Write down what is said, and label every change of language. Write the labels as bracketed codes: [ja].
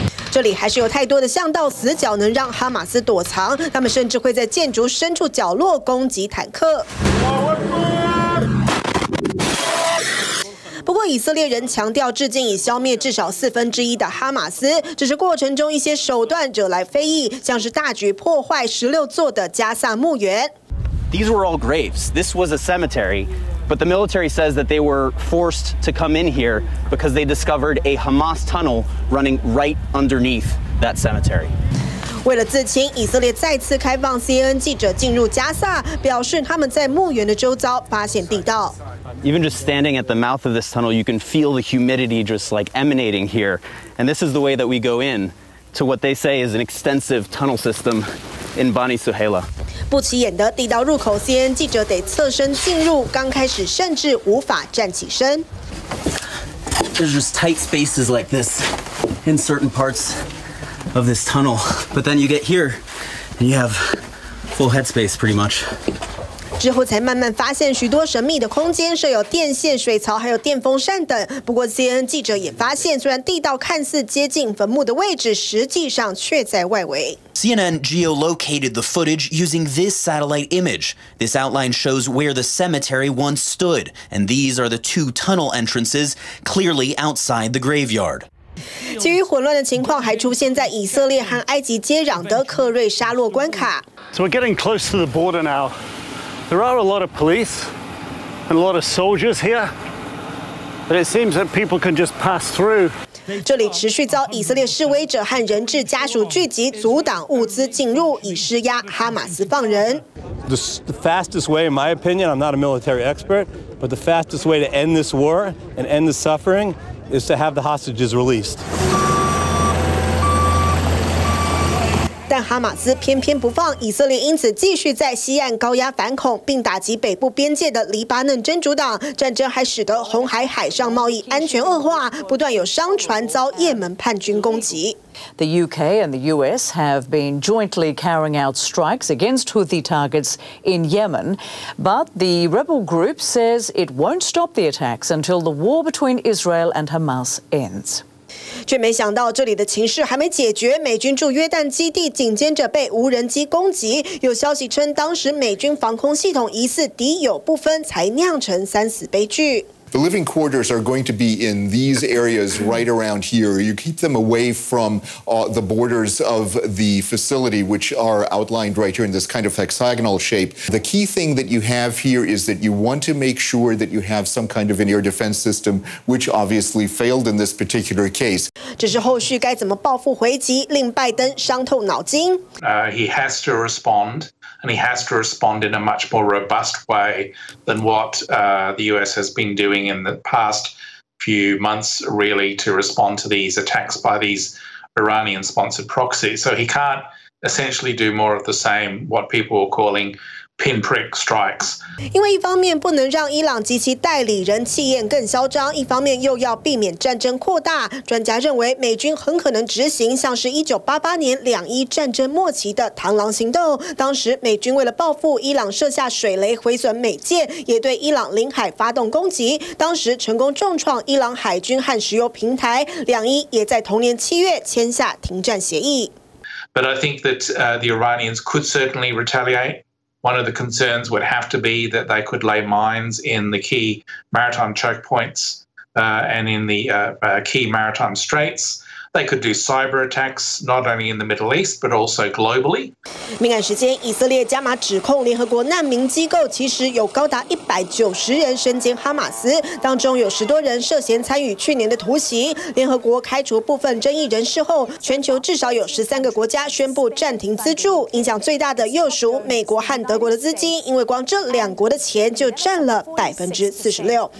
[zh] 这里还是有太多的巷道死角能让哈马斯躲藏，他们甚至会在建筑深处角落攻击坦克。不过以色列人强调至今已消灭至少四分之一的哈马斯，只是过程中一些手段惹来非议，像是大举破坏16座的加萨墓园。 [en] These were all graves. This was a cemetery. But the military says that they were forced to come in here because they discovered a Hamas tunnel running right underneath that cemetery. [zh] 为了自清，以色列再次开放 CNN 记者进入加萨，表示他们在墓园的周遭发现地道。 [en] Even just standing at the mouth of this tunnel, you can feel the humidity just like emanating here. And this is the way that we go in to what they say is an extensive tunnel system in Bani Suhaila. [zh] 不起眼的地道入口 ，CNN 记者得侧身进入，刚开始甚至无法站起身。 [en] There's just tight spaces like this in certain parts of this tunnel, but then you get here and you have full headspace pretty much. [zh] 之后才慢慢发现许多神秘的空间，设有电线、水槽，还有电风扇等。不过 CNN 记者也发现，虽然地道看似接近坟墓的位置，实际上却在外围。 [en] CNN geolocated the footage using this satellite image. This outline shows where the cemetery once stood, and these are the two tunnel entrances, clearly outside the graveyard. [zh] 基于混乱的情况，还出现在以色列和埃及接壤的克瑞沙洛关卡。 [en] So we're getting close to the border now. There are a lot of police and a lot of soldiers here, but it seems that people can just pass through. [zh] 这里持续遭以色列示威者和人质家属聚集，阻挡物资进入，以施压哈马斯放人。 [en] The fastest way, in my opinion, I'm not a military expert, but the fastest way to end this war and end the suffering is to have the hostages released. [zh] 但哈马斯偏偏不放，以色列因此继续在西岸高压反恐，并打击北部边界的黎巴嫩真主党。战争还使得红海海上贸易安全恶化，不断有商船遭也门叛军攻击。 [en] The UK and the US have been jointly carrying out strikes against Houthi targets in Yemen, but the rebel group says it won't stop the attacks until the war between Israel and Hamas ends. [zh] 却没想到这里的情势还没解决，美军驻约旦基地紧接着被无人机攻击，有消息称当时美军防空系统疑似敌友不分，才酿成三死悲剧。 [en] The living quarters are going to be in these areas right around here. You keep them away from the borders of the facility, which are outlined right here in this kind of hexagonal shape. The key thing that you have here is that you want to make sure that you have some kind of an air defense system, which obviously failed in this particular case. [zh] 只是后续该怎么报复回击，令拜登伤透脑筋。 [en] He has to respond. And he has to respond in a much more robust way than what the US has been doing in the past few months, really, to respond to these attacks by these Iranian-sponsored proxies. So he can't essentially do more of the same, what people are calling pinprick strikes. [zh] 因为一方面不能让伊朗及其代理人气焰更嚣张，一方面又要避免战争扩大。专家认为，美军很可能执行像是1988年两伊战争末期的螳螂行动。当时美军为了报复，伊朗射下水雷毁损美舰，也对伊朗领海发动攻击，当时成功重创伊朗海军和石油平台。两伊也在同年七月签下停战协议。 [en] But I think that the Iranians could certainly retaliate. One of the concerns would have to be that they could lay mines in the key maritime choke points and in the key maritime straits. They could do cyber attacks not only in the Middle East but also globally. [zh] 敏感时间，以色列加码指控联合国难民机构，其实有高达190人身兼哈马斯，当中有十多人涉嫌参与去年的突袭。联合国开除部分争议人士后，全球至少有13个国家宣布暂停资助，影响最大的又属美国和德国的资金，因为光这两国的钱就占了46%。